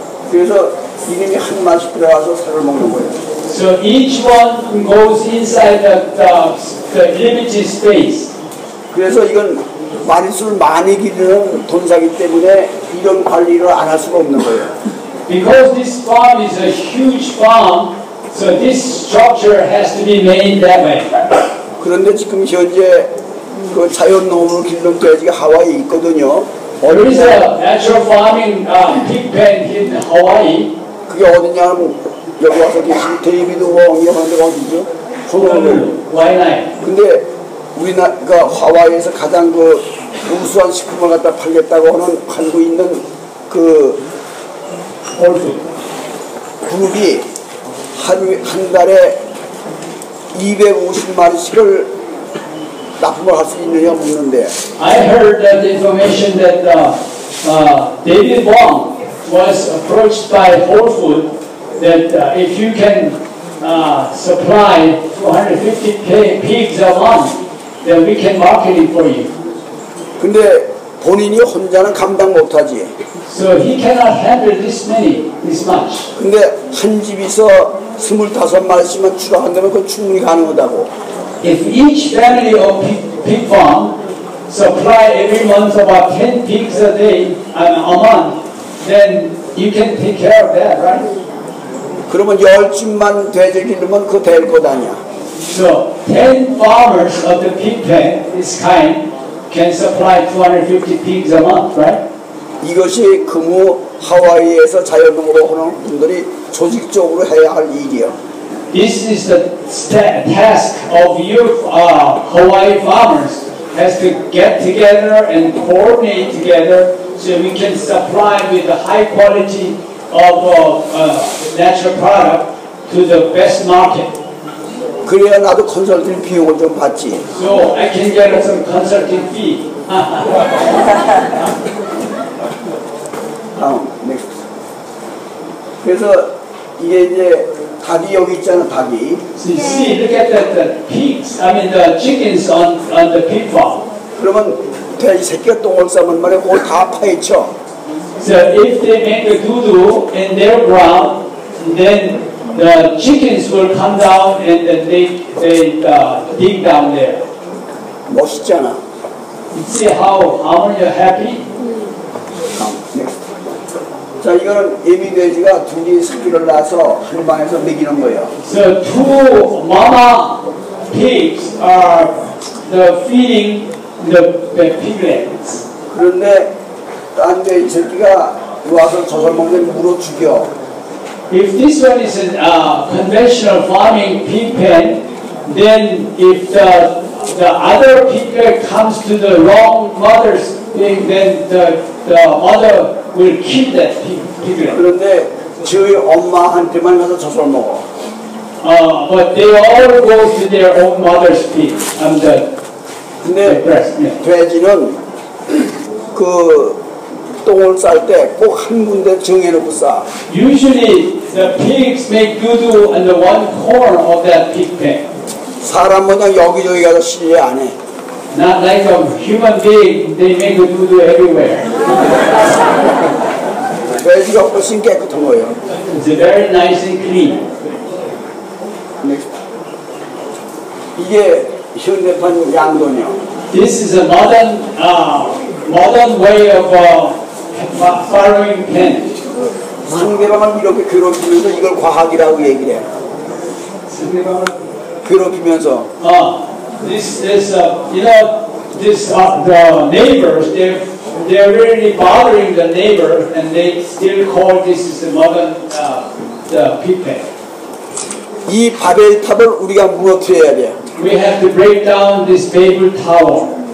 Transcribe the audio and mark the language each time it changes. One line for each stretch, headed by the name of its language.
Korean: 그래서 이놈이 한 마디 들어가서 살을 먹는 거예요.
English: So each one goes inside the limited space.
Korean: 그래서 이건 마릿수를 많이 기르는 돈사기 때문에 이런 관리를 안 할 수가 없는 거예요.
English: Because this farm is a huge farm, so this structure has to be made that way.
Korean: 그런데 지금 현재 그 자연 농업을 기르는 돼지가 하와이에 있거든요.
English: There is a natural farming pig pen in Hawaii.
Korean: 그게 어디냐 하면 여기 와서 계신 데이비드 왕이 만든 거거든요. 호놀룰루. 와이나이. 근데 우리나라가 하와이에서 가장 그 우수한 식품을 갖다 팔겠다고 하는 팔고 있는 그 홀드 그룹이 한 달에 250마리씩을 납품을 할 수 있느냐 묻는데.
English: I heard that information that David Wong was approached by Whole Food that if you can supply 250 pigs a month, then we can market it for you.
Korean: 근데 본인이 혼자는 감당 못하지.
English: So he cannot handle this many, this much.
Korean: 근데 한 집에서 25마리씩만 추가한다면 그 충분히 가능하다고.
English: If each family of pig farm supply every month about 10 pigs a day and a month, then you can take care of that, right?
Korean: 그러면 열 집만 돼지 기르면 그 될 것 아니야.
English: So 10 farmers of the pig pen, this kind, can supply 250 pigs a month, right?
Korean: 이것이 금후 하와이에서 자연농으로 하는 분들이 조직적으로 해야 할 일이야.
English: This is the task of you, Hawaii farmers, has to get together and coordinate together so we can supply with the high quality of natural product to the best market.
Korean: 그래야 나도 컨설팅 비용을 좀 받지.
English: So I can get some consulting fee.
Korean: 다음,
English: next.
Korean: 그래서 이게 이제 닭이 여기 있잖아, 닭이.
English: See, look at the pigs, I mean the chickens on the pig farm.
Korean: 그러면 돼지 새끼가 똥을 싸면 말이야, 그걸 다 파헤쳐.
English: So if they make a doo-doo in their ground, then the chickens will come down and they dig down there.
Korean: 멋있잖아.
English: You see how are you happy?
Korean: 자 이거는 애미 돼지가 둘이 새끼를 낳아서 한 방에서 먹이는 거예요.
English: So two mama pigs are the feeding the piglets.
Korean: 그런데 다른 데 저기가 와서 저걸 먹는 물어 죽여.
English: If this one is a conventional farming pig pen, then if the other piglet comes to the wrong mother's thing, then the mother will kill that piglet.
Korean: 그런데 저희 엄마한테만 가서 저걸 먹어.
English: But they all go to their own mother's feet and the breast. Yeah.
Korean: 돼지는 그 똥을 쌀 때 꼭 한 군데 정해놓고 싸.
English: Usually the pigs make doo-doo on the one corner of that pig pen.
Korean: 사람 모양 여기저기 가서 실례 안 해.
English: Not like a human being, they make a doo-doo everywhere.
Korean: 돼지가 훨씬 깨끗한 거예요.
English: It's very nice and clean.
Korean: 이게 현대판 양돈이요.
English: This is a modern modern way of farming pen.
Korean: 상대방을 이렇게 괴롭히면서 이걸 과학이라고 얘기를 해. 상대방을 괴롭히면서.
English: The neighbors they're really bothering the neighbor and they still call this is a modern the pig pen.
Korean: 이 바벨탑을 우리가 무너뜨려야 돼.
English: We have to break down this Babel Tower.